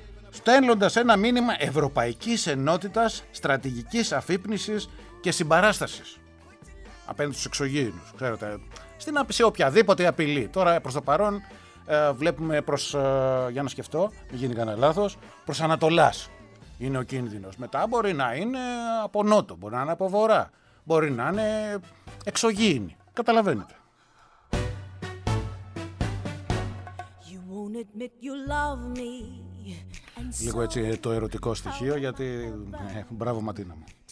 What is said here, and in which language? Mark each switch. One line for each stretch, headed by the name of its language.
Greek: Στέλνοντας ένα μήνυμα ευρωπαϊκής ενότητας, στρατηγικής αφύπνισης και συμπαράστασης απέναντι στους εξωγήινους, ξέρετε, στην άπιση οποιαδήποτε απειλή. Τώρα προς το παρόν βλέπουμε προς, για να σκεφτώ, μην γίνει κανένα λάθος, προς Ανατολάς είναι ο κίνδυνος. Μετά μπορεί να είναι από νότο, μπορεί να είναι από βορρά, μπορεί να είναι εξωγήινοι. Καταλαβαίνετε.
English: You won't admit you love me.
Greek: Λίγο έτσι το ερωτικό στοιχείο, γιατί μπράβο Ματίνα μου.